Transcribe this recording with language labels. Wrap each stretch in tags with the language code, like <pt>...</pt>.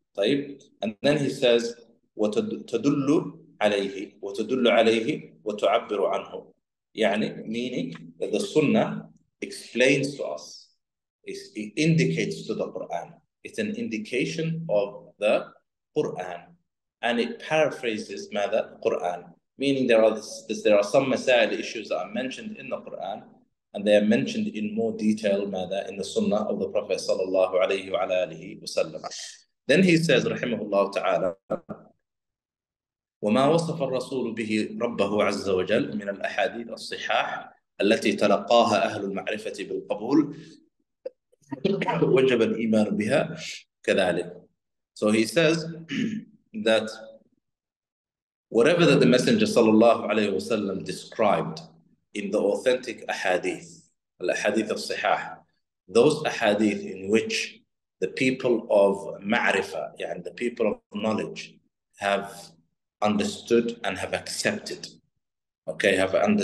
<en>طيب, and then he says</en> <ar>وَتَدُلُّ عَلَيْهِ وَتَدُلُّ عَلَيْهِ وَتُعَبِّرُ عَنْهُ,</ar> <en>يعني meaning that the Sunnah explains to us, it indicates to the Quran, it's an indication of the Quran, and it paraphrases ماذا Quran. Meaning there are some masail issues that are mentioned in the Quran, and they are mentioned in more detail ماذا in the Sunnah of the Prophet sallallahu alaihi wasallam. Then he says,</en> <ar>رحمه الله تعالى, وما وصف الرسول به ربه عز وجل من الأحاديث الصحاح التي تلقاها أهل المعرفة بالقبول وجب الإيمان بها كذلك.</ar> <en>So he says that whatever that the Messenger صلى الله عليه وسلم described in the authentic أحاديث,</en> <ar>الأحاديث الصحاح,</ar> <en>those أحاديث in which the people of معرفة, يعني the people of knowledge, have understood and have accepted, okay, have</en>